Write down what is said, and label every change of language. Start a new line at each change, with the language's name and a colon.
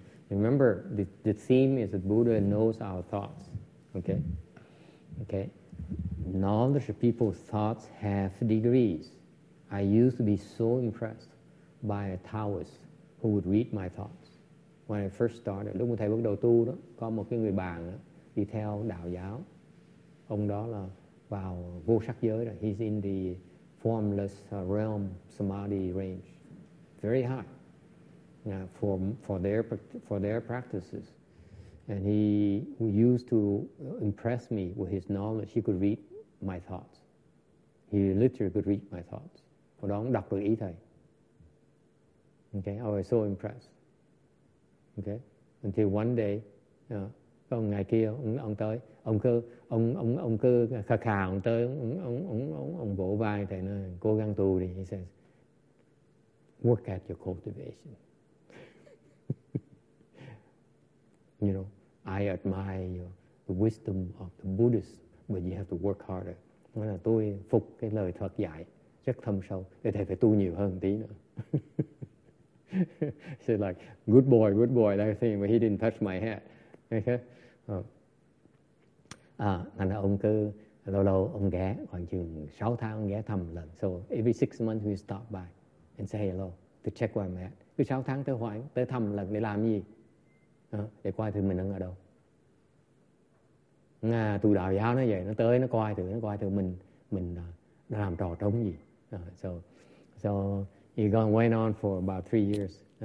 English: Remember, the theme is that Buddha knows our thoughts. Okay? Okay? Knowledge of people's thoughts have degrees. I used to be so impressed by a Taoist who would read my thoughts. When I first started,
Vietnamese: lúc mà thầy bắt đầu tu đó, có một cái người bạn đi theo đạo giáo. Ông đó là vào vô sắc giới rồi.
English: He's in the formless realm samadhi range. Very high. For their practices, and he used to impress me with his knowledge. He could read my thoughts. He literally could read my thoughts.
Vietnamese: Hồi đó ông đọc được ý thầy.
English: Okay, I was so impressed. Okay, until one day,
Vietnamese: ông ngày kia ông tới, ông cứ khà khà ông tới, ông vỗ vai thầy nói cố gắng tu đi.
English: He says, work at your cultivation. You know, I admire the wisdom of the Buddhists, but you have to work harder.
Vietnamese: Nói là tôi phục cái lời Phật dạy rất thâm sâu, để thầy phải tu nhiều hơn tí nữa.
English: So like, good boy, that thing, but he didn't touch my head. Okay.
Vietnamese: Thành ra ông cứ lâu lâu ông ghé, khoảng chừng 6 tháng ông ghé thăm lần.
English: So every 6 months we stop by and say hello to check where I'm at.
Vietnamese: Cứ 6 tháng tới thăm lần để làm gì? Để coi thử mình đang ở đâu. Nga tu đạo giáo nó vậy, nó coi thử mình đã làm trò trống gì.
English: So he went on for about 3 years.